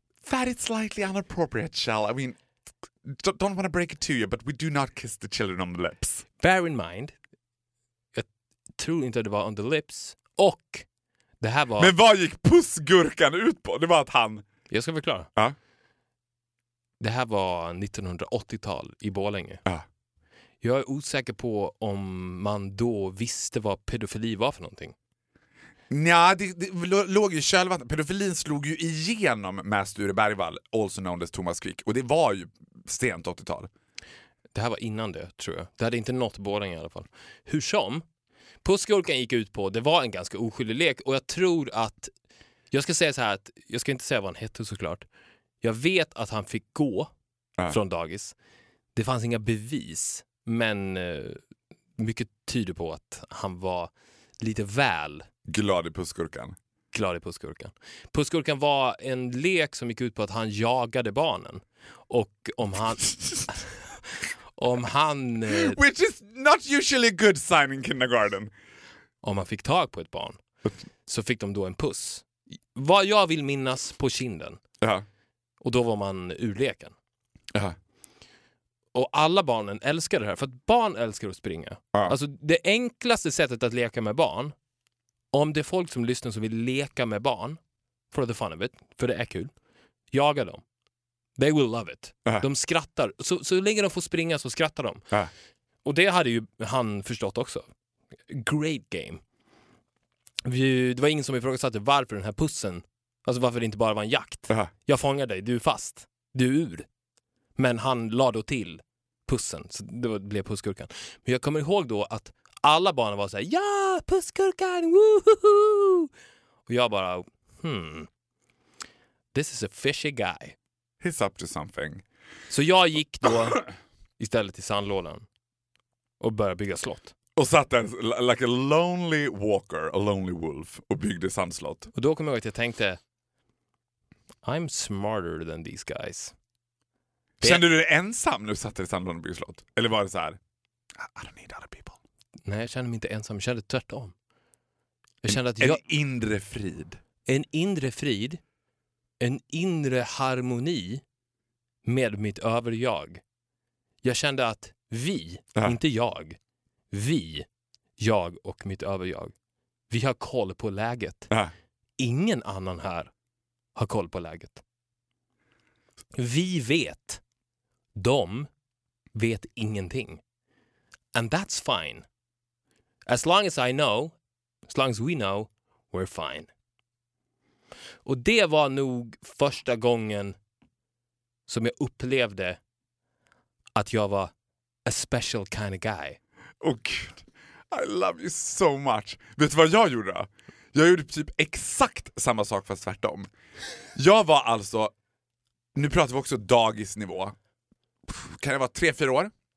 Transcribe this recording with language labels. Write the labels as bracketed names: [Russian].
[English] That is slightly inappropriate, Shell. I mean, don't want to break it to you, but we do not kiss the children on the lips. Bear in mind... [Swedish] Tror inte att det var [English] on the lips. [Swedish] Och det här var... Men vad gick pussgurkan ut på? Det var att han... Jag ska förklara. Det här var 1980-tal i Borlänge. Jag är osäker på om man då visste vad pedofili var för någonting. Nja, det låg ju själva... Pedofilin slog ju igenom med Sture Bergvall, also known as Thomas Quick. Och det var ju sent 80-tal. Det här var innan det, tror jag. Det hade inte nått Borlänge i alla fall. Hur som... Pussgurkan gick ut på, det var en ganska oskyldig lek, och jag tror att jag ska säga så här, att jag ska inte säga vad han hette, såklart. Jag vet att han fick gå från dagis. Det fanns inga bevis, men mycket tyder på att han var lite väl glad i Pusskurkan. Glad i Pusskurkan. Pusskurkan var en lek som gick ut på att han jagade barnen. Och om han... om han... [English] Which is not usually a good sign in kindergarten. [Swedish] Om man fick tag på ett barn så fick de då en puss. Vad jag vill minnas på kinden. Uh-huh. Och då var man urleken. Uh-huh. Och alla barnen älskar det här. För att barn älskar att springa. Uh-huh. Alltså det enklaste sättet att leka med barn... Om det är folk som lyssnar som vill leka med barn, [English] for the fun of it, [Swedish] för det är kul, jaga dem. [English] They will love it. Uh-huh. [Swedish] De skrattar. Så länge de får springa så skrattar de. Uh-huh. Och det hade ju han förstått också. [English] Great game. [Swedish] Det var ingen som ifrågasatte varför den här pussen, alltså varför det inte bara var en jakt. Uh-huh. Jag fångar dig, du är fast. Du är ur. Men han la då till pussen. Så det blev Pusskurkan. Men jag kommer ihåg då att alla barn var så här, ja, Pusskurkan, woohoo! Och jag bara, [English] this is a fishy guy. He's up to something. [Swedish] Så jag gick då istället till sandlådan och började bygga slott. Och satt där, [English] like a lonely walker, a lonely wolf, [Swedish] och byggde sandslott. Och då kom jag ihåg att jag tänkte, [English] I'm smarter than these guys. [Swedish] Kände du dig ensam när du satt i sandlådan och byggde slott? Eller var det så här, [English] I don't need other people. [Swedish] Nej, jag kände mig inte ensam. Jag kände tvärtom. Jag kände att jag... En inre frid. En inre frid. En inre harmoni med mitt överjag. Jag kände att vi, uh-huh, inte jag, vi, jag och mitt överjag, vi har koll på läget. Uh-huh. Ingen annan här har koll på läget. Vi vet. De vet ingenting. [English] And that's fine. As long as I know, as long as we know, we're fine. [Swedish] Och det var nog första gången som jag upplevde att jag var [English] a special kind of guy. [Swedish] Oh gud, [English] I love you so much. [Swedish] Vet du vad jag gjorde? Jag gjorde typ exakt samma sak fast tvärtom. Jag var alltså, nu pratar vi också dagisnivå. Kan jag vara 3-4 år?